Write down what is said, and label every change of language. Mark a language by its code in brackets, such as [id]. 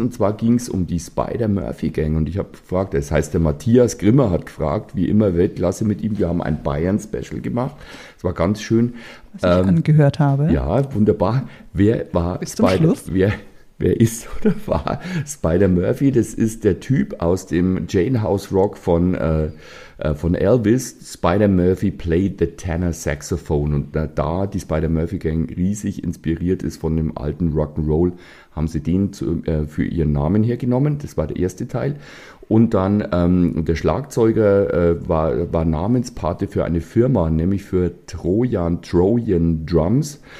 [de] Und zwar ging es um die Spider-Murphy-Gang. Und ich habe gefragt, das heißt, der Matthias Grimmer hat gefragt, wie immer Weltklasse mit ihm. Wir haben ein Bayern-Special gemacht. Es war ganz schön. Was ich angehört habe. Ja, wunderbar. Wer war Spider-Murphy? Wer ist oder war Spider-Murphy? Das ist der Typ aus dem Jane House Rock von Elvis. [en] Spider-Murphy played the tenor saxophone. [de] Und da die Spider-Murphy-Gang riesig inspiriert ist von dem alten Rock'n'Roll, haben sie den für ihren Namen hergenommen. Das war der erste Teil. Und dann der Schlagzeuger war Namenspate für eine Firma, nämlich für Trojan Drums.